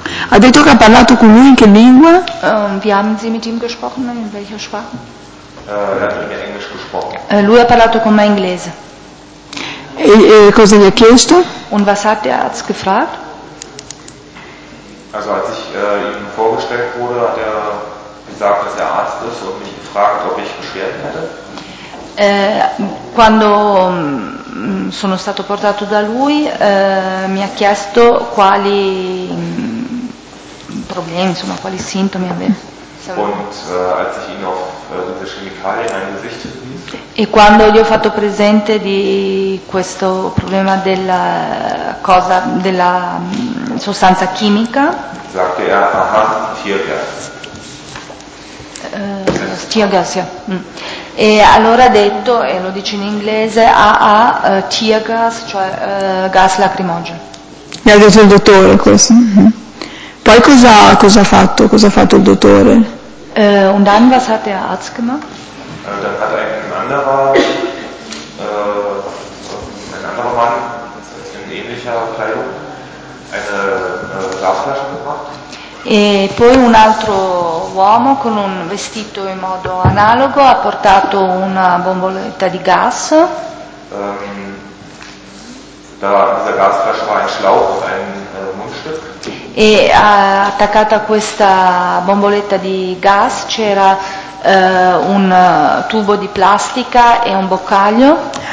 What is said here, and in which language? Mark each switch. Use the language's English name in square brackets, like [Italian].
[Italian] Ha detto che ha parlato con lui in che lingua? [German] Wie haben Sie mit ihm gesprochen, in welcher Sprache? Hat mit mir Englisch gesprochen. [Italian] Lui ha parlato con me in inglese. E cosa gli ha chiesto? [German] Und was hat der Arzt gefragt? Also als ich ihm vorgestellt wurde, hat er gesagt, dass er Arzt ist und mich gefragt, ob ich Beschwerden hätte. [Italian] Quando sono stato portato da lui, mi ha chiesto quali problemi, insomma, quali sintomi aveva. [German] Und als ich ihn auf diese Chemikalie in ein Gesicht ließ. [Italian] E quando gli ho fatto presente di questo problema della cosa della sostanza chimica. [German] Sagte er, aha, Tiergas. [Italian] Tiergas, ja. E allora ha detto, e lo dice in inglese, Tiergas, cioè gas lacrimogeno. Mi ha detto il dottore questo. Poi cosa ha fatto il dottore? [German] Und dann, was hat der Arzt gemacht? Dann hat ein anderer Mann, das ist in ähnlicher Kleidung, eine Glasflasche gebracht. [Italian] E poi un altro uomo con un vestito in modo analogo ha portato una bomboletta di gas. [German] Da in dieser Glasflasche war ein Schlauch und ein Mundstück. [Italian] E attaccata a questa bomboletta di gas c'era un tubo di plastica e un boccaglio.